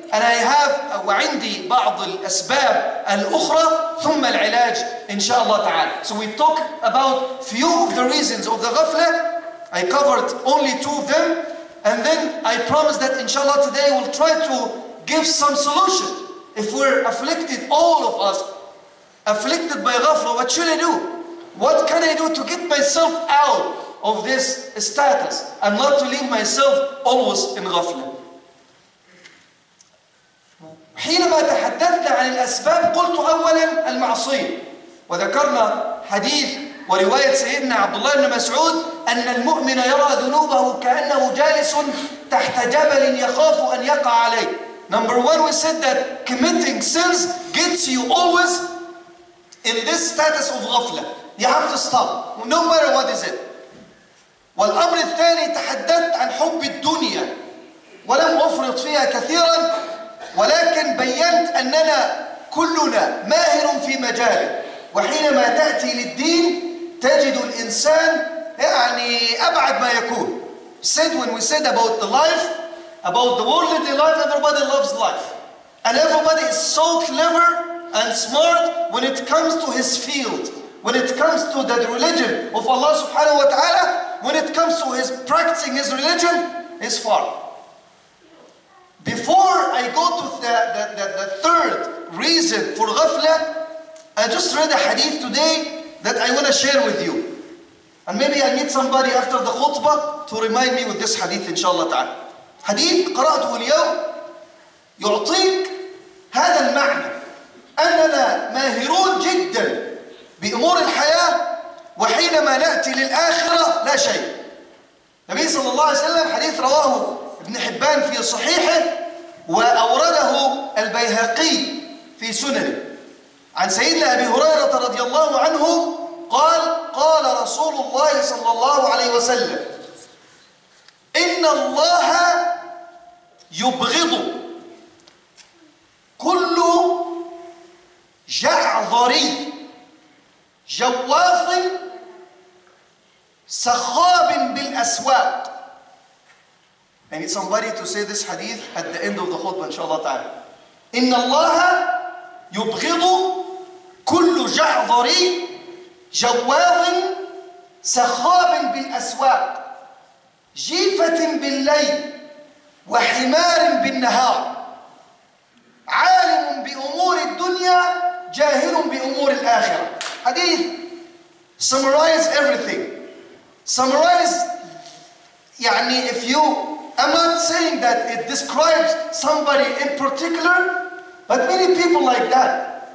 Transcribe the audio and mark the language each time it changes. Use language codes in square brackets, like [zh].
[en] And I have [ar] وعندي بعض الأسباب الأخرى ثم العلاج إن شاء الله تعالى. [en] So we talk about few of the reasons of the ghafla. I covered only two of them, and then I promise that إن شاء الله today we'll try to give some solution. If we're afflicted, all of us afflicted by ghafla, what should I do? What can I do to get myself out of this status and not to leave myself always in ghafla? [ar] حينما تحدثنا عن الأسباب قلت أولا المعصية، وذكرنا حديث ورواية سيدنا عبد الله بن مسعود أن المؤمن يرى ذنوبه كأنه جالس تحت جبل يخاف أن يقع عليه. [en] Number one, we said that committing sins gets you always in this status of غفلة. You have to stop no matter what is it. [ar] والأمر الثاني تحدثت عن حب الدنيا ولم أفرط فيها كثيرا، ولكن بينت أننا كلنا ماهر في مجاله، وحينما تأتي للدين تجد الإنسان يعني أبعد ما يكون. [en] Said when we said about the life, about the worldly life, everybody loves life. And everybody is so clever and smart when it comes to his field, when it comes to the religion of Allah subhanahu wa ta'ala, when it comes to his practicing his religion, is far. Before I go to the third reason for ghafla, I just read a hadith today that I want to share with you. And maybe I need somebody after the khutbah to remind me with this hadith, inshallah ta'ala. [ar] Hadith, قرأته اليوم, يعطيك هذا المعنى. أننا ماهرون جدا بأمور الحياة وحينما نأتي للآخرة لا شيء. النبي صلى الله عليه وسلم حديث رواه ابن حبان في صحيحه وأورده البيهقي في سننه عن سيدنا أبي هريرة رضي الله عنه قال قال رسول الله صلى الله عليه وسلم إن الله يبغض كل جعذري جواف سخاب بالأسواق. [en] I need somebody to say this hadith at the end of the khutbah, inshallah ta'ala. [ar] إن الله يبغض كل جعذري جواف سخاب بالأسواق جيفة بالليل وحمار بالنهار عالم بأمور الدنيا جاهل بأمور الآخرة. [en] حديث summarize everything. Summarize, يعني if you, I'm not saying that it describes somebody in particular, but many people like that.